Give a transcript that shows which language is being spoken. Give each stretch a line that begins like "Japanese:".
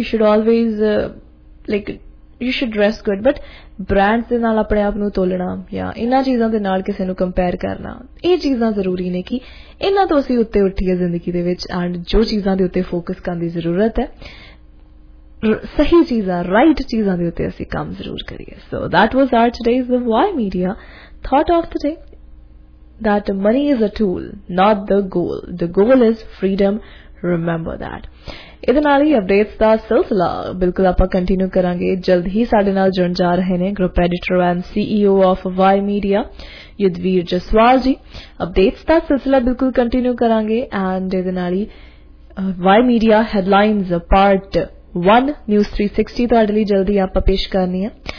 English: you should always like you should dress good,
Punjabi: but brands ਦੇ ਨਾਲ ਆਪਣੇ ਆਪ ਨੂੰ ਤੋਲਣਾ ਜਾਂ ਇਹਨਾਂ ਚੀਜ਼ਾਂ ਦੇ ਨਾਲ ਕਿਸੇ ਨੂੰ ਕੰਪੇਅਰ ਕਰਨਾ, ਇਹ ਚੀਜ਼ਾਂ ਜ਼ਰੂਰੀ ਨੇ ਕਿ ਇਹਨਾਂ ਤੋਂ ਅਸੀਂ ਉੱਤੇ ਉੱਠੀਏ ਜ਼ਿੰਦਗੀ ਦੇ ਵਿੱਚ, ਐਂਡ ਜੋ ਚੀਜ਼ਾਂ ਦੇ ਉੱਤੇ ਫੋਕਸ ਕਰਨ ਦੀ ਜ਼ਰੂਰਤ ਹੈ, ਸਹੀ ਚੀਜ਼ਾਂ, ਰਾਈਟ ਚੀਜ਼ਾਂ ਦੇ ਉੱਤੇ ਅਸੀਂ ਕੰਮ ਜ਼ਰੂਰ ਕਰੀਏ।
English: so that was our today's
Punjabi: ਦਾ
English: Y media thought of the day, that money is a tool not the goal, the goal is freedom, remember that.
Punjabi: ਇਹਦੇ ਨਾਲ ਹੀ ਅਪਡੇਟਸ ਦਾ ਸਿਲਸਿਲਾ ਬਿਲਕੁਲ ਆਪਾਂ ਕੰਟੀਨਿਊ ਕਰਾਂਗੇ। ਜਲਦ ਹੀ ਸਾਡੇ ਨਾਲ ਜੁੜਨ ਜਾ ਰਹੇ ਨੇ group editor and CEO of Y media Yudhvir Jaswal ਜੀ। ਅਪਡੇਟਸ ਦਾ ਸਿਲਸਿਲਾ ਬਿਲਕੁਲ ਕੰਟੀਨਿਊ ਕਰਾਂਗੇ, ਐਂਡ ਇਹਦੇ ਨਾਲ ਹੀ Y media headlines part 1 news 360 ਤੁਹਾਡੇ ਲਈ ਜਲਦ ਹੀ ਆਪਾਂ ਪੇਸ਼ ਕਰਨੀ ਆ।